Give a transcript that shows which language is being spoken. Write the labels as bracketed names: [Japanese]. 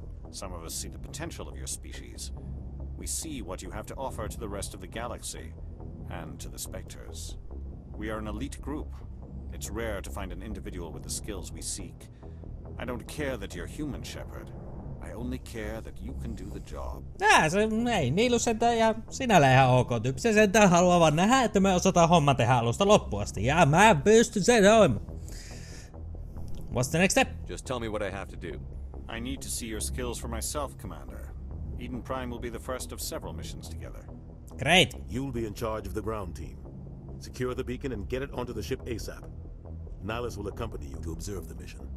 [English] Some of us see the potential of your species. We see what you have to offer to the rest of the galaxy, and to the Spectres. We are an elite group. It's rare to find an individual with the skills we seek. I don't care that you're human, Shepard. I only care that you can do the job. [Finnish] Ei, Nihilus sentään ihan sinällä ihan ok tyyppi. Se sentään haluaa vaan nähdä, että me osataan homma tehdä alusta loppuun asti. Ja mä pystyn sen hoimaan. [English] What's the next step? Just tell me what I have to do. I need to see your skills for myself, Commander. Eden Prime will be the first of several missions together. Great. You'll be in charge of the ground team. Secure the beacon and get it onto the ship ASAP. Nihilus will accompany you to observe the mission.